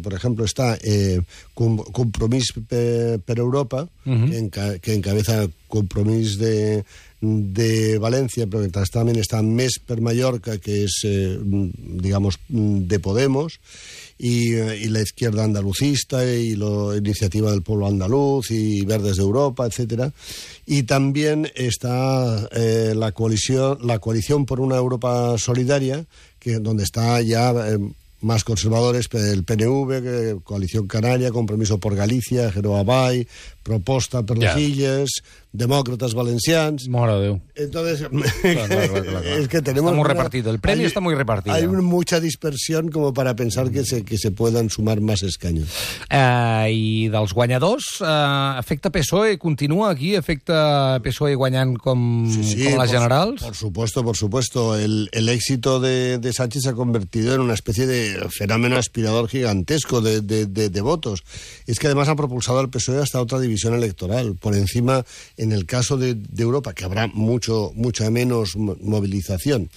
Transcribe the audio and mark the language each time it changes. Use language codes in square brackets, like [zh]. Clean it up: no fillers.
[es] Por ejemplo, está Compromís per Europa, uh-huh, que encabeza Compromís de València, [ca] però també està [es] Més per Mallorca, que és, digamos, de Podemos, y la izquierda andalucista, y la Iniciativa del Pueblo Andaluz, y Verdes de Europa, etcétera. Y también está la coalición por una Europa solidaria, que donde está ya más conservadores, el PNV, Coalición Canaria, Compromiso por Galicia, Geroa Bai, Proposta per les Illes, Demòcrates Valencians... [ca] Mora Déu. [es] Entonces, claro. Es que tenemos... Está muy repartido, el premio está muy repartido. Hay mucha dispersión como para pensar que se puedan sumar más escaños. [ca] I dels guanyadors, efecte PSOE, continua aquí, efecte PSOE guanyant com les generals? [es] Sí, por supuesto. El éxito de Sánchez se ha convertido en una especie de fenómeno aspirador gigantesco de votos. Es que además ha propulsado al PSOE hasta otra división electoral, por encima en el caso de Europa, que habrá mucha menos movilización.